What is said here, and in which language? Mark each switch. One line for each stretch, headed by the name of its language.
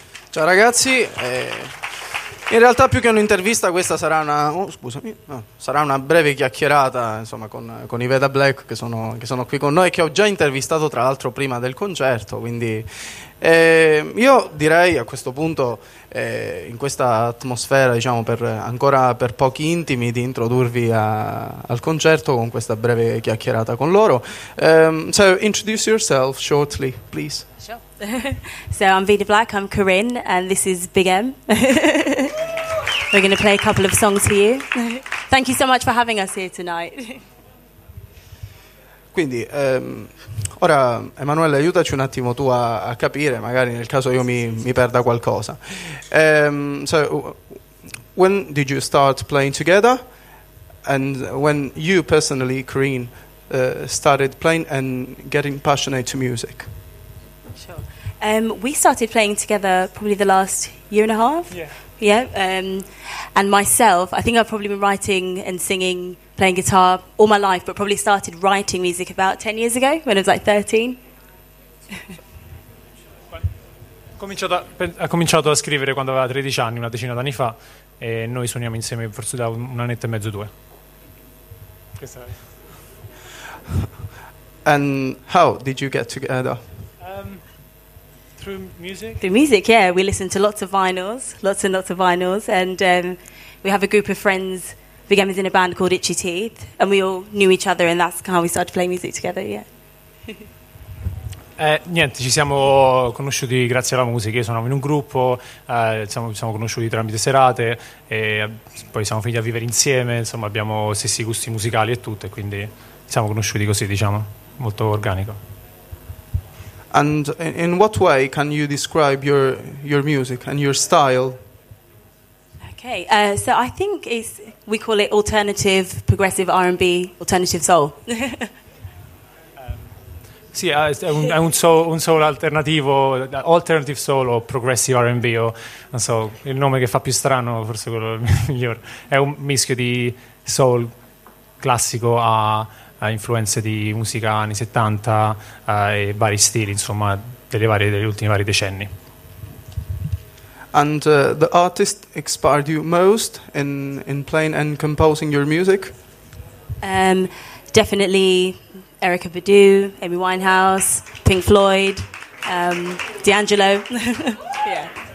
Italian: Ciao ragazzi, in realtà più che un'intervista questa sarà una sarà una breve chiacchierata, insomma, con i Vida Black che sono qui con noi, che ho già intervistato tra l'altro prima del concerto. Quindi io direi a questo punto, in questa atmosfera, diciamo, per pochi intimi, di introdurvi al concerto con questa breve chiacchierata con loro.
English: So introduce yourself shortly, please. Sure. So I'm Vida Black, I'm Corinne, and this is Big M. We're going to play a couple of songs for you. Thank you so much for having us here tonight.
Italian: Quindi, ora, Emanuele, aiutaci un attimo tu a capire, magari nel caso io mi perda qualcosa.
English: So, when did you start playing together? And when you personally, Corinne, started playing and getting passionate to music? Sure. We started playing together probably the last year and a half. Yeah, and myself, I think I've probably been writing and singing, playing guitar all my life, but probably started writing music about 10 years ago, when I was like 13.
Italian: Ha cominciato a scrivere quando aveva 13 anni, una decina d'anni fa, e noi suoniamo insieme forse da un annetto e mezzo, due.
English: And how did you get together? Through music, yeah. We listen to lots and lots of vinyls, and we have a group of friends. Big M is in a band called Itchy Teeth, and we all knew each other, and that's how we started to play music together, yeah.
Italian: Niente, ci siamo conosciuti grazie alla musica. Io suonavo in un gruppo, siamo conosciuti tramite serate, e poi siamo finiti a vivere insieme, insomma abbiamo stessi gusti musicali e tutto, e quindi siamo conosciuti così, diciamo, molto organico.
English: And in what way can you describe your music and your style? Okay, so I think we call it alternative progressive R&B, alternative soul.
Italian: Sì, è un soul alternativo, alternative soul o progressive R&B, o non so, il nome che fa più strano, forse quello migliore. È un mischio di soul classico a influenze di musica anni 70 e vari stili, insomma, degli ultimi vari decenni.
English: And the artist inspired you most in playing and composing your music? Definitely Erykah Badu, Amy Winehouse, Pink Floyd, D'Angelo. Yeah.